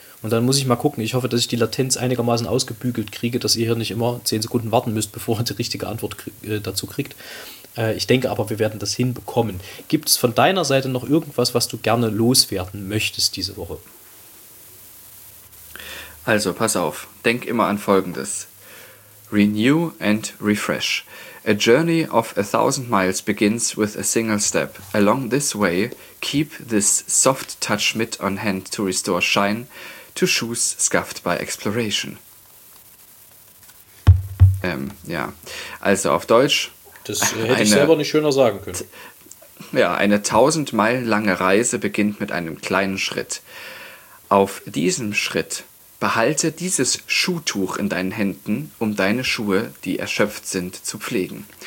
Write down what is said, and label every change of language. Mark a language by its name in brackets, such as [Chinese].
[German] Und dann muss ich mal gucken. Ich hoffe, dass ich die Latenz einigermaßen ausgebügelt kriege, dass ihr hier nicht immer 10 Sekunden warten müsst, bevor ihr die richtige Antwort dazu kriegt. Ich denke aber, wir werden das hinbekommen. Gibt es von deiner Seite noch irgendwas, was du gerne loswerden möchtest diese Woche? Also, pass auf. Denk immer an Folgendes. [English] Renew and refresh. A journey of 1,000 miles begins with a single step. Along this way, keep this soft touch mit on hand to restore shine to shoes scuffed by exploration. [German] Ja, also auf Deutsch. Das hätte ich selber nicht schöner sagen können. Ja, eine 1,000 Meilen lange Reise beginnt mit einem kleinen Schritt. Auf diesem Schritt behalte dieses Schuhtuch in deinen Händen, um deine Schuhe, die erschöpft sind, zu pflegen.